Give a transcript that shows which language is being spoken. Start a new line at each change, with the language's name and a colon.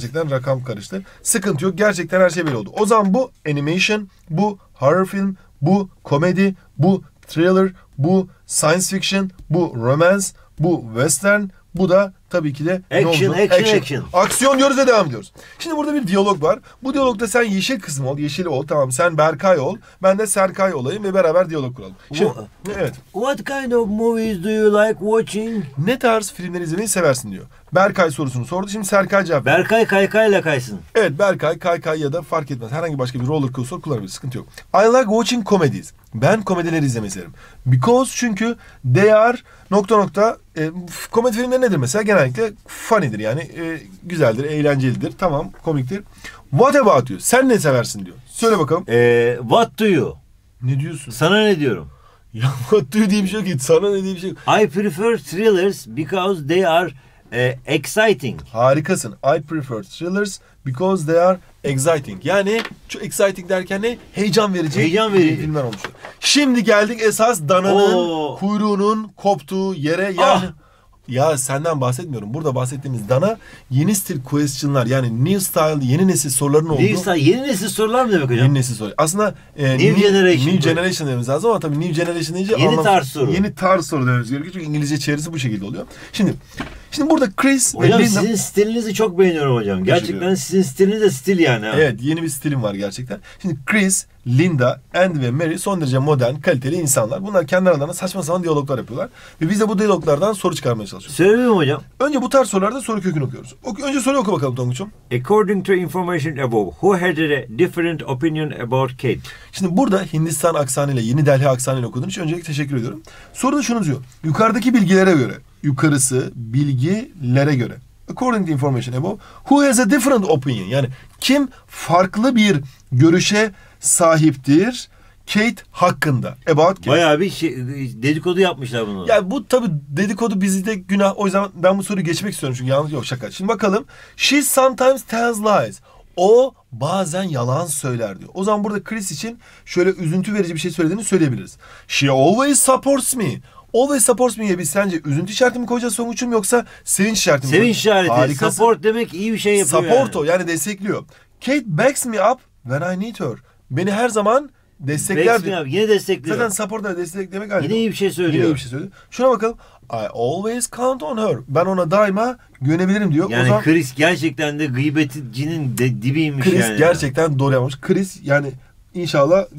Turkish: Gerçekten rakam karıştı. Sıkıntı yok. Gerçekten her şey belli oldu. O zaman bu animation, bu horror film, bu komedi, bu thriller, bu science fiction, bu romance, bu western, bu da tabii ki de
English: action.
Turkish: Aksiyon diyoruz ve devam ediyoruz. Şimdi burada bir diyalog var. Bu diyalogda sen yeşil kısım ol, yeşil ol. Tamam, sen Berkay ol. Ben de Serkay olayım ve beraber diyalog kuralım. Şimdi,
English: What kind of movies do you like watching?
Turkish: Ne tarz filmleri izlemeyi seversin diyor. Berkay sorusunu sordu. Şimdi Serkay cevap veriyor. Berkay Kaykay ile kaysın. Evet, Berkay Kaykay ya da fark etmez. Herhangi başka bir roller coaster kullanabilir. Sıkıntı yok.
English: I like watching comedies.
Turkish: Ben komedileri izlemeyi severim.
English: Because
Turkish: çünkü
English: they are
Turkish: .. komedi filmleri nedir mesela? Genellikle funny'dir yani. Güzeldir, eğlencelidir. Tamam, komiktir.
English: What about you?
Turkish: Sen ne seversin diyor. Söyle bakalım.
English: What do you?
Turkish: Ne diyorsun? Sana ne diyorum? Ya
English: what do you
Turkish: diye bir şey yok ki. Sana ne diye bir şey yok.
English: I prefer thrillers because they are exciting.
Turkish: Harikasın.
English: I prefer thrillers because they are exciting.
Turkish: Yani şu exciting derken ne? Heyecan verici. Heyecan verici. Filmler olmuş. Şimdi geldik esas dananın kuyruğunun koptuğu yere. Yani ya senden bahsetmiyorum. Burada bahsettiğimiz dana yeni stil question'lar, yani
English: new style,
Turkish: yeni nesil soruların olduğu.
English: New style,
Turkish: yeni nesil sorular mı demek hocam? Yeni nesil soru. Aslında
English: new generation
Turkish: dememiz lazım ama tabii
English: new generation
Turkish: deyince yeni tarz soru. Yeni tarz soru dememiz gerekiyor çünkü İngilizce çevirisi bu şekilde oluyor. Şimdi Şimdi burada Chris... Hocam Linda... sizin stilinizi çok beğeniyorum hocam. Gerçekten sizin stiliniz de stil yani. Ha. Evet, yeni bir stilim var gerçekten. Şimdi Chris, Linda, Andy ve Mary son derece modern, kaliteli insanlar. Bunlar kendi aralarında saçma sapan diyaloglar yapıyorlar. Ve biz de bu diyaloglardan soru çıkarmaya çalışıyoruz. Söyleyeyim hocam? Önce bu tarz sorularda soru kökünü okuyoruz. Önce soruyu oku bakalım Tonguç'um.
English: According to information above, who had a different opinion about Kate?
Turkish: Şimdi burada Hindistan aksanıyla, Yeni Delhi aksanıyla okuduğum için öncelikle teşekkür ediyorum. Soru da şunu diyor. Yukarıdaki bilgilere göre, yukarısı bilgilere göre.
English: According to information above, who has a different opinion?
Turkish: Yani kim farklı bir görüşe sahiptir Kate hakkında.
English: About Kate.
Turkish: Bayağı bir şey, dedikodu yapmışlar bunu. Ya bu tabii dedikodu bizi de günah. O yüzden ben bu soruyu geçmek istiyorum çünkü yanlış yok şaka. Şimdi bakalım.
English: She sometimes tells lies.
Turkish: O bazen yalan söyler diyor. O zaman burada Chris için şöyle üzüntü verici bir şey söylediğini söyleyebiliriz.
English: She always supports me.
Turkish: Always supports me'ye biz sence üzüntü işareti mi koyacağız Songuç'um yoksa sevinç işareti mi? Sevinç işareti. Harika. Support demek iyi bir şey yapıyor. Support yani. O yani destekliyor.
English: Kate backs me up when I need her.
Turkish: Beni her zaman destekler.
English: Backs me up.
Turkish: Yine destekliyor. Zaten support da destek demek aynı. Yine iyi bir şey söylüyor. Yine iyi bir şey söylüyor. Şuna bakalım.
English: I always count on her.
Turkish: Ben ona daima güvenebilirim diyor. Yani zaman... Chris gerçekten de gıybetcinin dibiymiş Chris yani. Chris gerçekten doğru yapmış. Chris yani... İnşallah.